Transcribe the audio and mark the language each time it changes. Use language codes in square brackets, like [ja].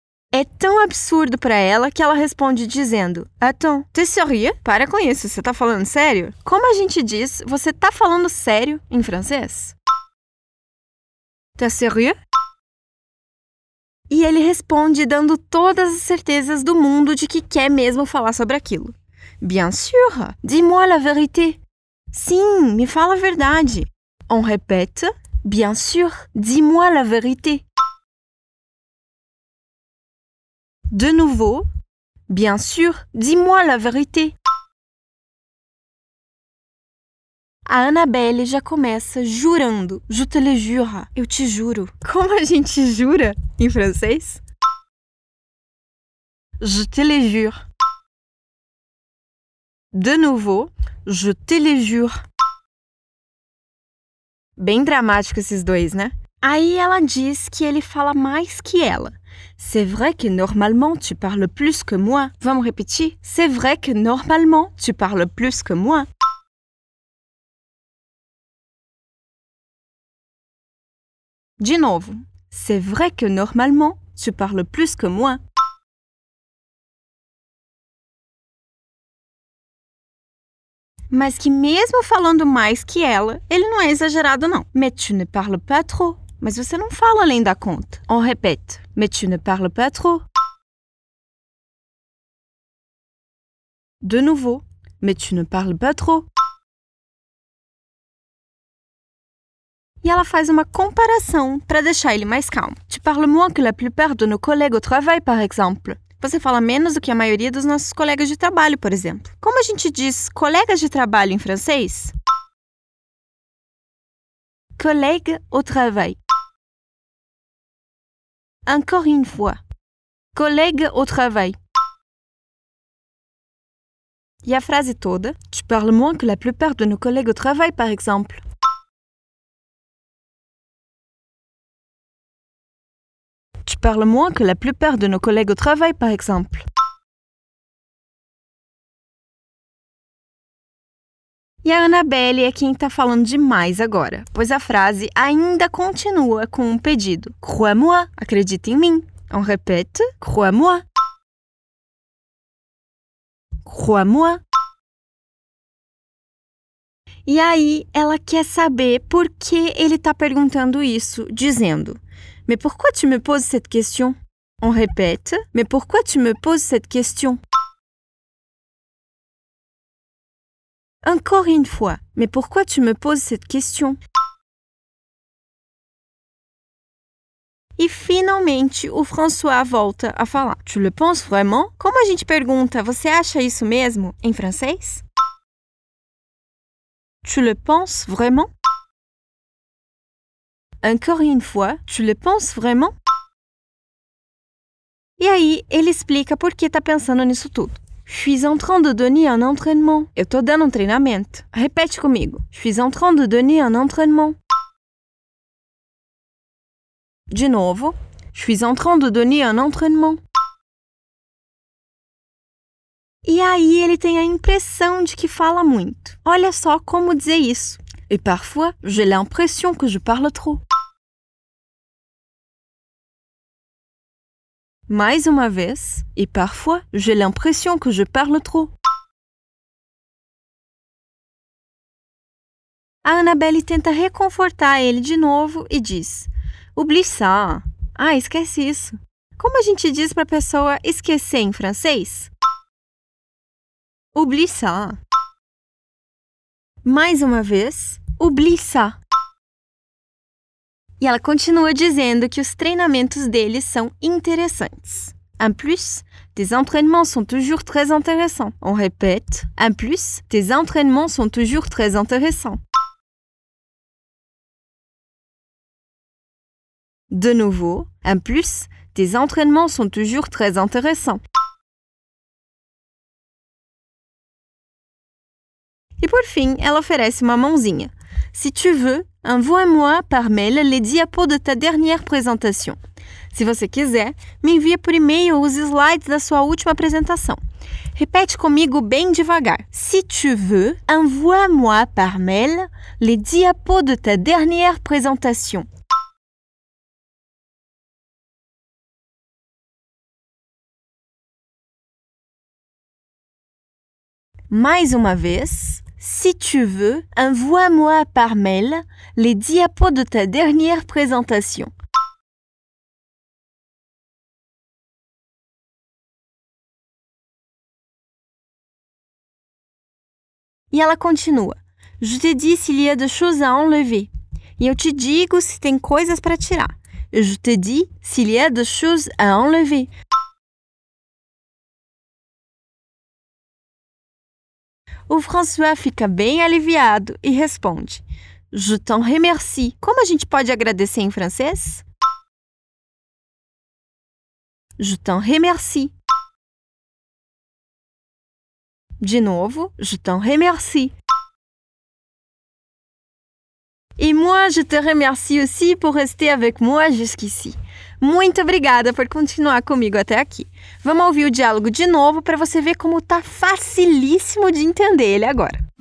[pt] É tão absurdo para ela que ela responde dizendo: [fr] Attends, t'es sérieux? [pt] Para com isso, você tá falando sério? Como a gente diz, você tá falando sério em francês? [fr] T'es sérieux? [pt] E ele responde dando todas as certezas do mundo de que quer mesmo falar sobre aquilo. [fr] Bien sûr, dis-moi la vérité. [pt] Sim, me fala a verdade. [fr] On répète, bien sûr, dis-moi la vérité. De nouveau, bien sûr, dis-moi la vérité. [pt] A Annabelle já começa jurando. [fr] Je te le jure. [pt] Eu te juro. Como a gente jura em francês? [fr] Je te le jure. De nouveau, je te le jure. [pt] Bem dramático esses dois, né? Aí ela diz que ele fala mais que ela. [fr] C'est vrai que normalement tu parles plus que moi. [pt] Vamos repetir? [fr] C'est vrai que normalement tu parles plus que moi. [pt] De novo. [fr] C'est vrai que normalement tu parles plus que moi. [pt] Mas que mesmo falando mais que ela, ele não é exagerado, não. [fr] Mais tu ne parles pas trop. [pt] Mas você não fala além da conta. [fr] On répète. Mais tu ne parles pas trop. De nouveau. Mais tu ne parles pas trop. [pt] E ela faz uma comparação para deixar ele mais calmo. [fr] Tu parles moins que la plupart de nos collègues au travail, par exemple. [pt] Você fala menos do que a maioria dos nossos colegas de trabalho, por exemplo. Como a gente diz colegas de trabalho em francês? [fr] Collègue au travail. Encore une fois. Collègue au travail. [pt] E a frase toda? [fr] Tu parles moins que la plupart de nos collègues au travail, par exemple. Tu parles moins que la plupart de nos collègues au travail, par exemple. [pt] E a Annabelle é quem está falando demais agora, pois a frase ainda continua com um pedido. [fr] Crois-moi, [pt] acredita em mim. [fr] On répète, crois-moi. Crois-moi. [pt] E aí, ela quer saber por que ele está perguntando isso, dizendo: [fr] Mais pourquoi tu me poses cette question? On répète, mais pourquoi tu me poses cette question? Encore une fois, mais pourquoi tu me poses cette question? [pt] E finalmente o François volta a falar. [fr] Tu le penses vraiment? [pt] Como a gente pergunta, você acha isso mesmo em francês? [fr] Tu le penses vraiment? Encore une fois, tu le penses vraiment? [pt] E aí ele explica por que tá pensando nisso tudo. [fr] Je suis en train de donner un entraînement. [pt] Eu tô dando treinamento. Repete comigo. [fr] Je suis en train de donner un entraînement. [pt] De novo. [fr] Je suis en train de donner un entraînement. [pt] E aí ele tem a impressão de que fala muito. Olha só como dizer isso. [fr] Et parfois, j'ai l'impression que je parle trop. [pt] Mais uma vez, [fr] et parfois, j'ai l'impression que je parle trop. [pt] A Annabelle tenta reconfortar ele de novo e diz: [fr] Oublie ça. [pt] Ah, esquece isso. Como a gente diz para a pessoa esquecer em francês? [fr] Oublie ça. [pt] Mais uma vez, [fr] oublie ça. [pt] E ela continua dizendo que os treinamentos deles são interessantes. [fr] En plus, tes entraînements sont toujours très intéressants. On répète. En plus, tes entraînements sont toujours très intéressants. De nouveau, en plus, tes entraînements sont toujours très intéressants. [pt] E por fim, ela oferece uma mãozinha. [fr] Si tu veux, envoie-moi par mail les diapos de ta dernière présentation. [pt] Se você quiser, me envia por e-mail os slides da sua última apresentação. Repete comigo bem devagar. [fr] Si tu veux, envoie-moi par mail les diapos de ta dernière présentation. [pt] Mais uma vez. [fr] Si tu veux, envoie-moi par mail les diapos de ta dernière présentation. [pt] E ela continua. [fr] Je te dis s'il y a des choses à enlever. [pt] E eu te digo se tem coisas para tirar. [fr] Je te dis s'il y a des choses à enlever. [pt] O François fica bem aliviado e responde. [fr] Je t'en remercie. [pt] Como a gente pode agradecer em francês? [fr] Je t'en remercie. [pt] De novo, [fr] je t'en remercie. Et moi, je te remercie aussi pour rester avec moi jusqu'ici. [pt] Muito obrigada por continuar comigo até aqui. Vamos ouvir o diálogo de novo para você ver como tá facilíssimo de entender ele agora.